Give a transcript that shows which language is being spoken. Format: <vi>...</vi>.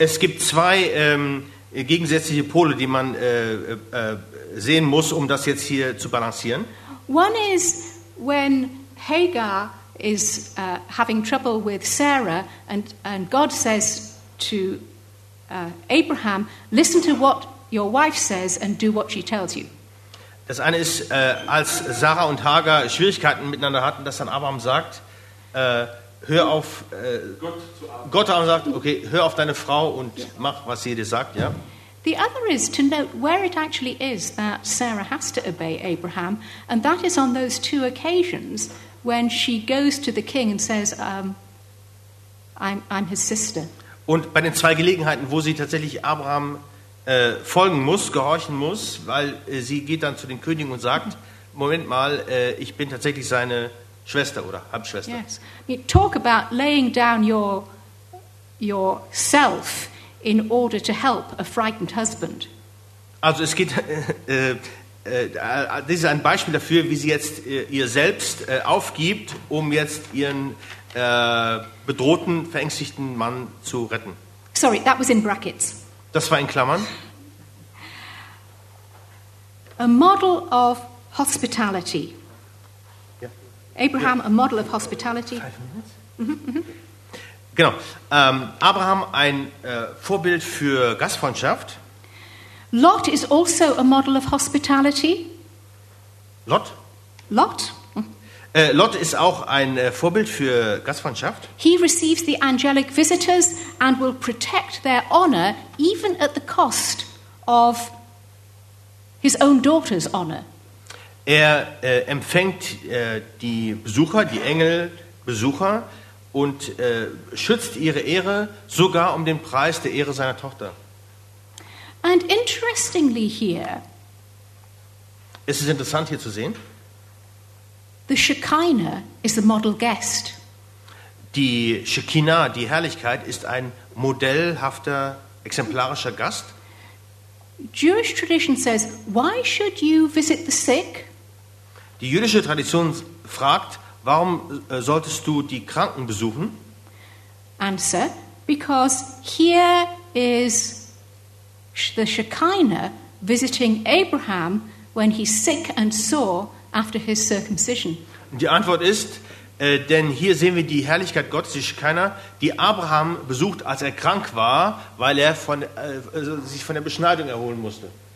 <de>Es gibt zwei gegensätzliche Pole, die man sehen muss, um das jetzt hier zu balancieren.</de> <en>One is when Hagar is having trouble with Sarah and God says to Abraham, listen to what your wife says and do what she tells you.</en> <de>Das eine ist, als Sarah und Hagar Schwierigkeiten miteinander hatten, dass dann Abraham sagt, hör auf, Gott Abraham sagt, okay, hör auf deine Frau und mach, was sie dir sagt, ja.</de> <en>The other is to note where it actually is that Sarah has to obey Abraham, and that is on those two occasions when she goes to the king and says, I'm his sister.</en> <de>Und bei den zwei Gelegenheiten, wo sie tatsächlich Abraham folgen muss, gehorchen muss, weil sie geht dann zu den Königen und sagt, Moment mal, ich bin tatsächlich seine Schwester oder Halbschwester.</de> <en>Yes. You talk about laying down yourself in order to help a frightened husband.</en> <de>Also es geht, das ist ein Beispiel dafür, wie sie jetzt ihr selbst aufgibt, um jetzt ihren bedrohten, verängstigten Mann zu retten.</de> <en>Sorry, that was in brackets.</en> <de>Das war in Klammern.</de> <en>A model of hospitality. Yeah. Abraham, yeah. A model of hospitality. 5 minutes.</en> <de>Genau. Abraham, ein Vorbild für Gastfreundschaft.</de> <en>Lot is also a model of hospitality. Lot? Lot.</en> <de>Lot ist auch ein Vorbild für Gastfreundschaft.</de> <en>He receives the angelic visitors and will protect their honor even at the cost of his own daughter's honor.</en> <de>Er empfängt die Besucher, die Engelbesucher, und schützt ihre Ehre sogar um den Preis der Ehre seiner Tochter.</de> <en>And interestingly here,</en> <de>es ist interessant hier zu sehen,</de> <en>the Shekinah is a model guest.</en> <de>Die Shekinah, die Herrlichkeit, ist ein modellhafter, exemplarischer Gast.</de> <en>Jewish tradition says, why should you visit the sick?</en> <de>Die jüdische Tradition fragt, warum solltest du die Kranken besuchen?</de> <en>Answer, because here is the Shekinah visiting Abraham when he's sick and sore after his circumcision.</en> <de>Die Antwort ist, denn hier sehen wir die Herrlichkeit Gottes, die Shekinah, die Abraham besucht, als er krank war, weil er von, sich von der Beschneidung erholen musste.</de>